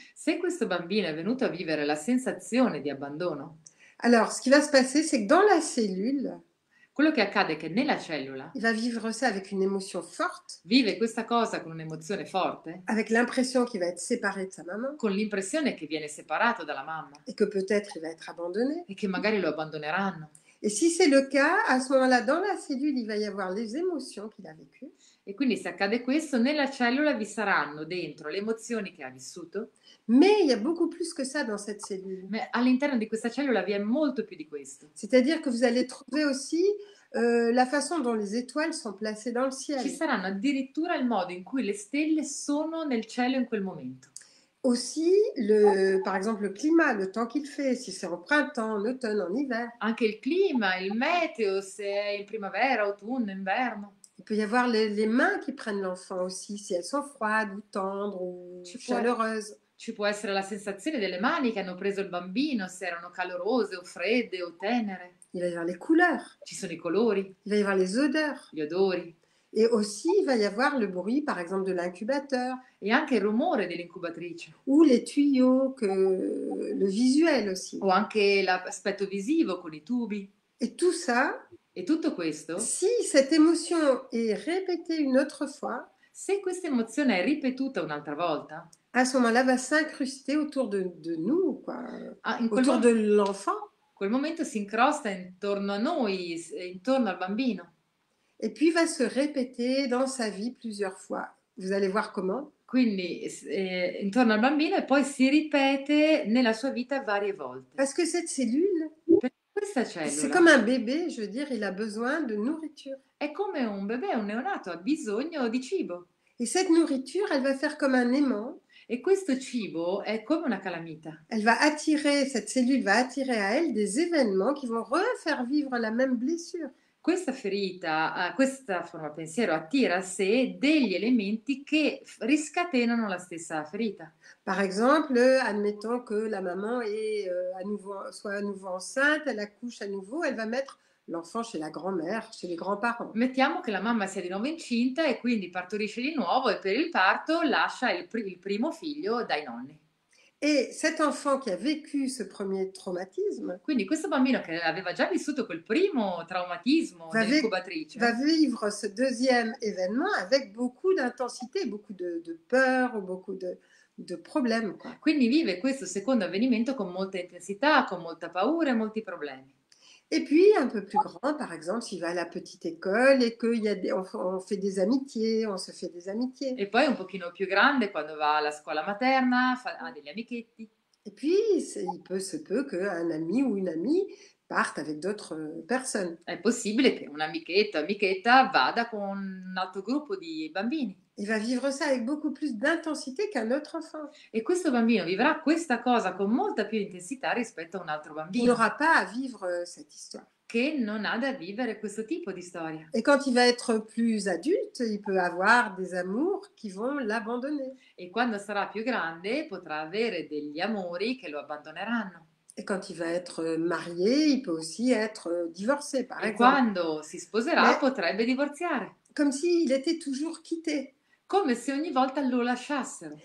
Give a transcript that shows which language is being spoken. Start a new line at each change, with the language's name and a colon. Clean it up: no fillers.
Italian: Se questo bambino è venuto a vivere la sensazione di abbandono.
French: Alors, ce qui va se passer, c'est que dans la cellule.
Italian: Quello che accade è che nella cellula.
French: Il va vivre ça avec une émotion forte.
Italian: Vive questa cosa con un'emozione forte.
French: Avec l'impression qu'il va être séparé de sa maman.
Italian: Con l'impressione che viene separato dalla mamma.
French: Et que peut-être il va être abbandonné.
Italian: E che magari lo abbandoneranno.
French: Et si c'est le cas, à ce moment-là, dans la cellule, il va y avoir les émotions qu'il a vécues.
Italian: E quindi se accade questo, nella cellula vi saranno dentro le emozioni che ha vissuto.
French: Mais il y a beaucoup plus que ça dans cette cellule.
Italian: Ma all'interno di questa cellula vi è molto più di questo.
French: C'est-à-dire que vous allez trouver aussi la façon dont les étoiles sont placées dans le ciel.
Italian: Ci saranno addirittura il modo in cui le stelle sono nel cielo in quel momento.
French: Aussi, par exemple, le climat, le temps qu'il fait, si c'est en printemps, en automne, en hiver.
Italian: Anche il clima, il meteo, se è in primavera, autunno, inverno.
French: Il peut y avoir les mains qui prennent l'enfant aussi, si elles sont froides ou tendres ou chaleureuses.
Italian: Ci può essere la sensazione delle mani che hanno preso il bambino, se erano calorose o fredde o tenere.
French: Il va y avoir les couleurs.
Italian: Ci sono i colori.
French: Il va y avoir les odeurs.
Italian: Gli odori.
French: Et aussi, il va y avoir le bruit, par exemple, de l'incubateur.
Italian: E anche il rumore dell'incubatrice.
French: Ou les tuyaux, le visuel aussi.
Italian: O anche l'aspetto visivo con i tubi.
French: Et tout ça.
Italian: E tutto questo.
French: Si cette émotion est répétée une autre fois.
Italian: Se questa emozione è ripetuta un'altra volta.
French: À ce moment-là, va s'incruster autour de nous, quoi. Autour de l'enfant.
Italian: Quel momento si incrosta intorno a noi, intorno al bambino.
French: Et puis va se répéter dans sa vie plusieurs fois. Vous allez voir comment.
Italian: Quindi intorno al bambino e poi si ripete nella sua vita varie volte.
French: Parce que cette cellule,
Italian: questa cellula,
French: c'est comme un bébé, je veux dire, il a besoin de nourriture.
Italian: È come un bébé, un neonato, ha bisogno di cibo.
French: Et cette nourriture, elle va faire comme un aimant.
Italian: E questo cibo è come una calamita.
French: Elle va attirer, cette cellule va attirer à elle des événements qui vont refaire vivre la même blessure.
Italian: questa ferita, questa forma pensiero attira a sé degli elementi che riscatenano la stessa ferita.
French: Par exemple, admettons que la maman est, à nouveau, soit à nouveau enceinte, elle accouche à nouveau, elle va mettre l'enfant chez la grand-mère, chez les grands-parents.
Italian: Mettiamo che la mamma sia di nuovo incinta e quindi partorisce di nuovo e per il parto lascia il primo figlio dai nonni.
French: Et cet enfant qui a vécu ce premier traumatisme,
Italian: quindi questo bambino che aveva già vissuto quel primo traumatismo dell'incubatrice,
French: va vivre ce deuxième événement avec beaucoup d'intensité, beaucoup de peur, beaucoup de problèmes.
Italian: Quindi vive questo secondo avvenimento con molta intensità, con molta paura e molti problemi.
French: Et puis un peu plus grand, par exemple, s'il va à la petite école et qu'il y a des, on fait des amitiés, on se fait des amitiés.
Italian: E poi un pochino più grande quando va alla scuola materna, fa, ha degli amichetti.
French: Et puis il peut se peut que un ami ou une amie parte avec d'autres personnes.
Italian: È possibile che un amichetto, amichetta vada con un altro gruppo di bambini.
French: Il va vivre ça avec beaucoup plus d'intensité qu'un autre enfant.
Italian: E questo bambino vivrà questa cosa con molta più intensità rispetto a un altro bambino.
French: Il n'aura pas à vivre cette histoire.
Italian: Che non ha da vivere questo tipo di storia.
French: Et quand il va être plus adulte, il peut avoir des amours qui vont l'abandonner.
Italian: E quando sarà più grande, potrà avere degli amori che lo abbandoneranno.
French: Et quand il va être marié, il peut aussi être divorcé, par exemple.
Italian: E quando si sposerà, mais potrebbe divorziare.
French: Comme si il était toujours quitté.
Italian: Come se ogni volta lo lasciassero.